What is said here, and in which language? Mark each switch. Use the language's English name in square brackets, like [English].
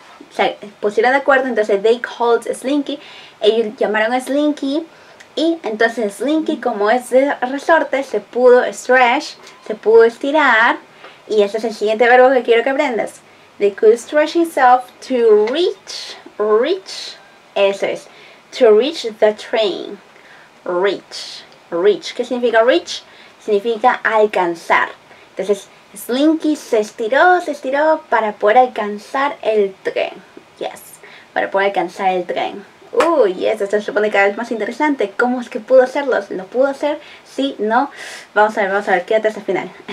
[Spanish] Se pusieron de acuerdo, entonces, [English] they called Slinky, [Spanish] ellos llamaron a Slinky, y entonces Slinky, como es de resorte, se pudo stretch, se pudo estirar, y ese es el siguiente verbo que quiero que aprendas. [English] They could stretch himself to reach, [Spanish] eso es, [English] to reach the train, reach. [Spanish] ¿Qué significa reach? Significa alcanzar. Entonces, Slinky se estiró para poder alcanzar el tren. Yes, para poder alcanzar el tren. Uy, eso se supone cada vez más interesante. ¿Cómo es que pudo hacerlo? ¿Lo pudo hacer? ¿Sí? ¿No? Vamos a ver, quédate hasta el final.